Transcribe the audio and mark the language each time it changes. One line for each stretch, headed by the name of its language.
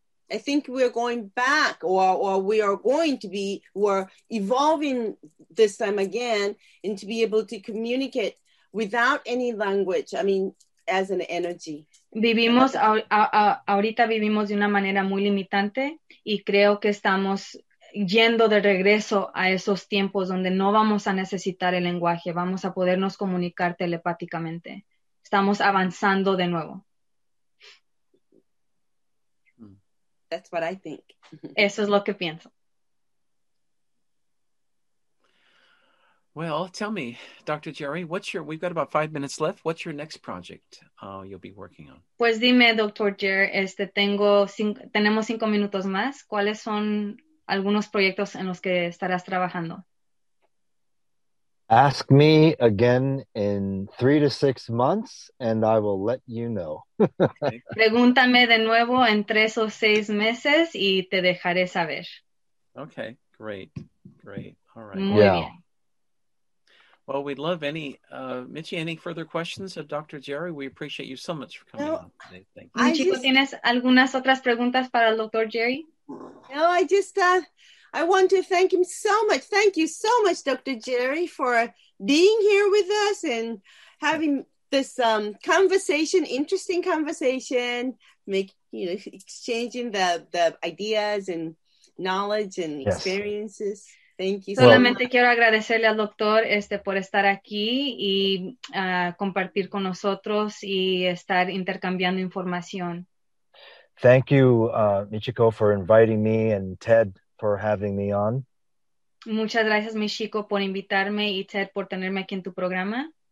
English: I think we are going back, or we are going to be, we're evolving this time again, and to be able to communicate without any language. I mean, as an energy.
Spanish: Vivimos ahorita vivimos de una manera muy limitante y creo que estamos yendo de regreso a esos tiempos donde no vamos a necesitar el lenguaje, vamos a podernos comunicar telepáticamente. Estamos avanzando de nuevo.
English: That's what I think.
Spanish: Eso es lo que pienso.
English: Well, tell me, Dr. Jerry, we've got about 5 minutes left. What's your next project you'll be working on?
Spanish: Pues dime, Dr. Jerry, tenemos 5 minutos más. ¿Cuáles son algunos proyectos en los que estarás trabajando?
English: Ask me again in 3 to 6 months and I will let you know.
Spanish: Pregúntame de nuevo en 3 o 6 meses y te dejaré saber.
English: Okay, great, great. All right.
Spanish: Muy bien.
English: Well, we'd love any, Michi, any further questions of Dr. Jerry? We appreciate you so much for coming on today. Thank you.
Spanish: Michi, ¿tienes algunas otras preguntas para el Dr. Jerry?
English: No, I want to thank him so much. Thank you so much, Dr. Jerry, for being here with us and having this interesting conversation, exchanging the ideas and knowledge and experiences. Yes. Thank you.
Spanish: Solamente quiero agradecerle al doctor por estar aquí y compartir con nosotros y estar intercambiando información.
English: Thank you, Michiko, for inviting me and Ted for having me on.
Spanish: Muchas gracias, Michiko, por invitarme y Ted por tenerme aquí en tu programa.